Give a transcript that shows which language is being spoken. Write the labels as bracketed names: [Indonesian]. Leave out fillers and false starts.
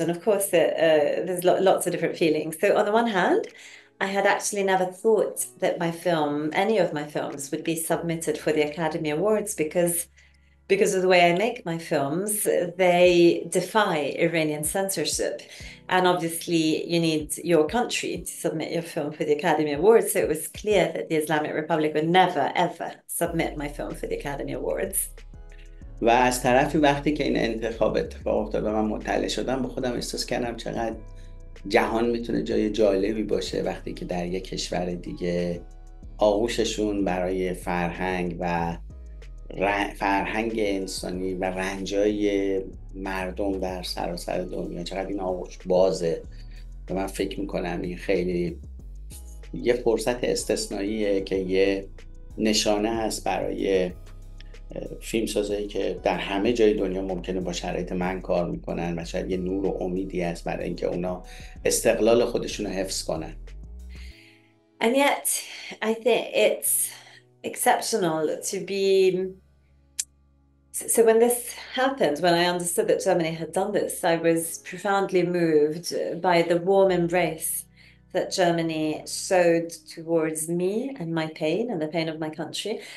[English] And of course, there's lots of different feelings. So, on the one hand, I had actually never thought that my film, any of my films, would be submitted for the Academy Awards because of the way I make my films, they defy Iranian censorship. And obviously, you need your country to submit your film for the Academy Awards. So, it was clear that the Islamic Republic would never, ever submit my film for the Academy Awards. [Persian] و از طرفی وقتی که این انتخاب اتفاق افتاد و من مطلع شدم به خودم احساس کردم چقدر جهان میتونه جای جالبی باشه وقتی که در یک کشور دیگه آغوششون برای فرهنگ و فرهنگ انسانی و رنجای مردم در سراسر دنیا چقدر این آغوش بازه و من فکر میکنم این خیلی یه فرصت استثناییه که یه نشانه هست برای فیلم سازایی که در همه جای دنیا ممکنه با شرایط من کار میکنن و شاید یه نور و امیدی است برای اینکه اونا استقلال خودشون رو حفظ کنن. [English] And yet, I think it's exceptional to be. So, when this happened, when I understood that Germany had done this, I was profoundly moved by the warm embrace that Germany showed towards me and my pain and the pain of my country.